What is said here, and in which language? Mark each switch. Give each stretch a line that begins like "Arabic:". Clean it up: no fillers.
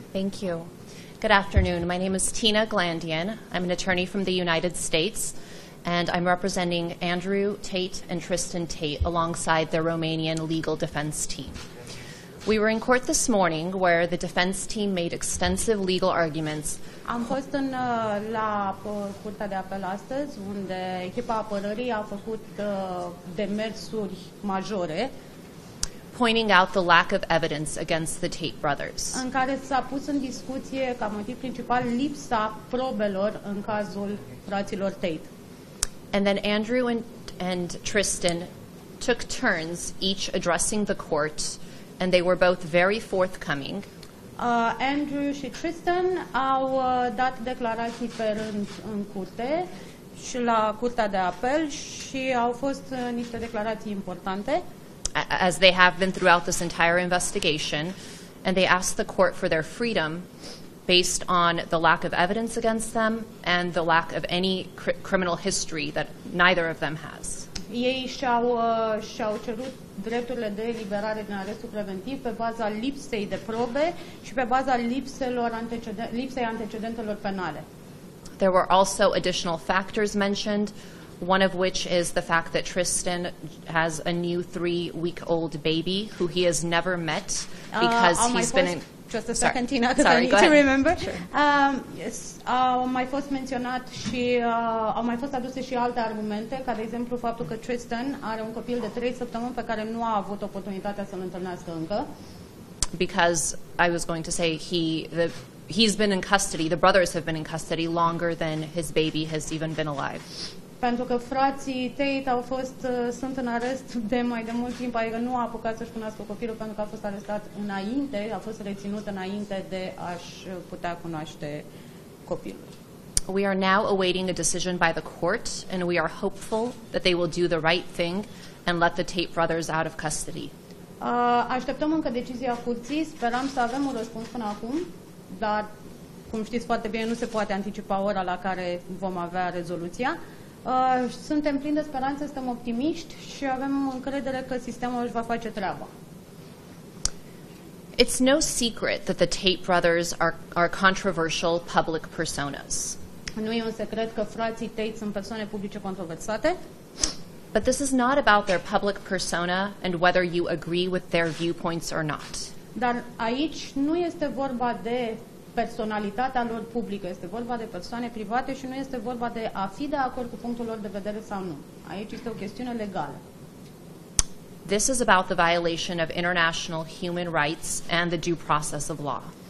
English: thank you. Good afternoon. My name is Tina Glandian. I'm an attorney from the United States, and I'm representing Andrew TATE and Tristan TATE alongside their Romanian legal defense team. We were in court this morning where the defense team made extensive legal arguments.
Romanian: Am fost în la curtea de apel astăzi, unde echipa apărării a făcut demersuri majore.
English: Pointing out the lack of evidence against the TATE brothers.
Romanian: În care s-a pus în discuție ca motiv principal lipsa probelor în cazul fraților TATE.
English: And then Andrew and Tristan took turns each addressing the court, and they were both very forthcoming.
Romanian: Andrew și Tristan au dat declarații pe rând în curte și la curtea de apel și au fost niște declarații importante.
English: As they have been throughout this entire investigation, and they asked the court for their freedom based on the lack of evidence against them and the lack of any criminal history that neither of them has.
Romanian: Ei și-au cerut drepturile de eliberare din arestul preventiv pe baza lipsei de probe și pe baza lipsei antecedentelor penale.
English: There were also additional factors mentioned, one of which is the fact that Tristan has a new 3-week-old baby who he has never met because he's been in... Just a second, Tina, because I need to remember. Sure.
Romanian: Yes, au mai fost menționat și au mai fost aduse și alte argumente, ca de exemplu faptul că Tristan are un copil de 3 săptămâni pe care nu a avut oportunitatea să-l întâlnească încă.
English: Because I was going to say he's been in custody, the brothers have been in custody longer than his baby has even been alive.
Romanian: Pentru că frații TATE au fost sunt în arest de mai de mult timp, adică nu a apucat să-și cunoască copilul pentru că a fost arestat înainte, a fost reținut înainte de a-și putea cunoaște copilul.
English: We are now awaiting a decision by the court and we are hopeful that they will do the right thing and let the TATE brothers out of custody.
Romanian: Așteptăm încă decizia curții, sperăm să avem un răspuns până acum, dar cum știți foarte bine, nu se poate anticipa ora la care vom avea rezoluția. Suntem plini de speranță, suntem optimiști și avem încredere că sistemul își va face treaba.
English: It's no secret that the TATE brothers are controversial public personas.
Romanian: Nu e un secret că frații TATE sunt persoane publice controversate.
English: But this is not about their public persona and whether you agree with their viewpoints or not.
Romanian: Dar aici nu este vorba de personalitatea lor publică, este vorba de persoane private și nu este vorba de a fi de acord cu punctul lor de vedere sau nu. Aici este o chestiune legală.
English: This is about the violation of international human rights and the due process of law.